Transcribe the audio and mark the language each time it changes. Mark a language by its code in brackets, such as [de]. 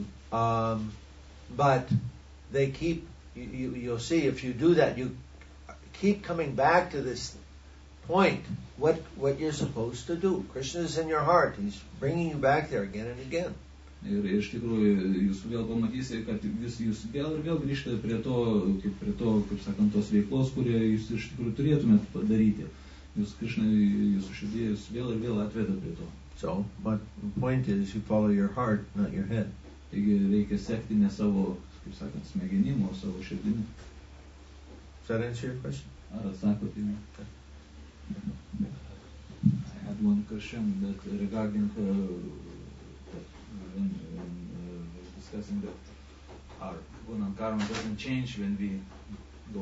[en] But they keep you'll see if you do that, you keep coming back to this point, what you're supposed to do. Krishna is in your heart, he's bringing you back there again and again. [lt] Ir iš tikrųjų jūs vėl pamatysite, kad vis jūs vėl ir vėl grįžtate prie to, kaip sakant, tos veiklos, kurią jūs iš tikrųjų turėtumėte padaryti. Jūs Krishna jūsų širdyje jūs vėl ir vėl atveda prie to. [en] So, but the point is you follow your heart, not your head. [lt] Taigi reikia sekti ne savo, kaip sakant, smegenim, o savo širdim. [en] Does that answer your question? [lt] Ar atsakot jums? [en] I had one question that regarding when discussing that our gunan karma doesn't change when we go